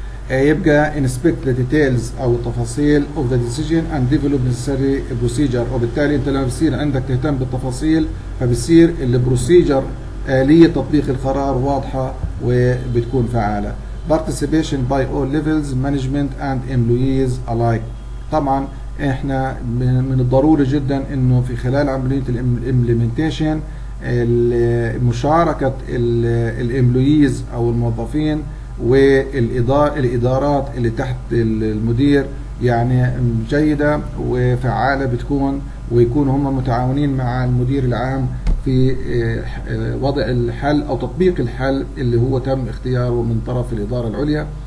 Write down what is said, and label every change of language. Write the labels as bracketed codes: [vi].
[ar] يبقى [en] inspect the details [ar] أو التفاصيل [en] of the decision and develop necessary procedure، [ar] وبالتالي أنت لما بصير عندك تهتم بالتفاصيل فبصير البروسيجر آلية تطبيق القرار واضحة وبتكون فعالة. [en] Participation by all levels management and employees alike. [ar] طبعا احنا من الضروري جدا انه في خلال عملية الimplementation مشاركة الemployees أو الموظفين والإدارات اللي تحت المدير يعني جيدة وفعالة بتكون، ويكون هم متعاونين مع المدير العام في وضع الحل أو تطبيق الحل اللي هو تم اختياره من طرف الإدارة العليا.